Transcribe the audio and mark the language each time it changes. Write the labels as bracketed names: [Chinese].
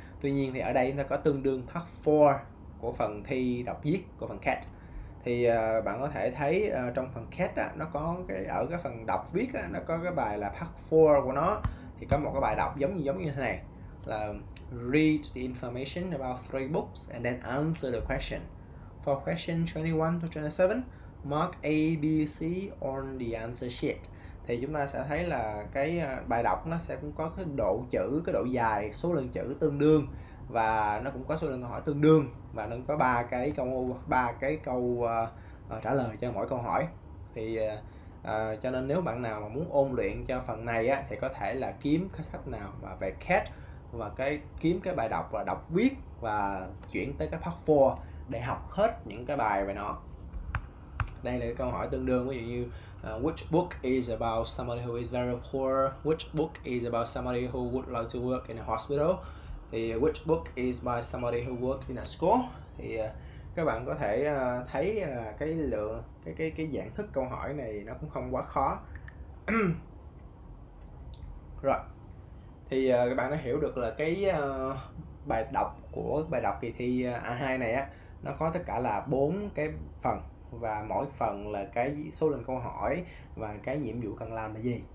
[Vietnamese] Tuy nhiên thì ở đây nó có tương đương part 4 của phần thi đọc viết của phần CAT. Thì bạn có thể thấy trong phần CAT á, nó có cái ở cái phần đọc viết á, nó có cái bài là part 4 của nó, thì có một cái bài đọc giống như thế này là [English] read the information about three books and then answer the question. For question 21 to 27, mark A, B, C on the answer sheet. [Vietnamese] Thì chúng ta sẽ thấy là cái bài đọc nó sẽ cũng có cái độ chữ, cái độ dài, số lượng chữ tương đương và nó cũng có số lượng câu hỏi tương đương và nó có ba cái câu trả lời cho mỗi câu hỏi. Thì cho nên nếu bạn nào mà muốn ôn luyện cho phần này á thì có thể là kiếm cái sách nào mà về CAT và kiếm cái bài đọc là đọc viết và chuyển tới cái part 4 để học hết những cái bài về nó. Đây là cái câu hỏi tương đương, ví dụ như [English] which book is about somebody who is very poor, which book is about somebody who would like to work in a hospital, [Vietnamese] thì [English] which book is by somebody who worked in a school. [Vietnamese] Thì các bạn có thể thấy là cái lượng cái dạng thức câu hỏi này nó cũng không quá khó. Rồi thì các bạn đã hiểu được là cái bài đọc kỳ thi A2 này á, nó có tất cả là 4 cái phần và mỗi phần là cái số lượng câu hỏi và cái nhiệm vụ cần làm là gì.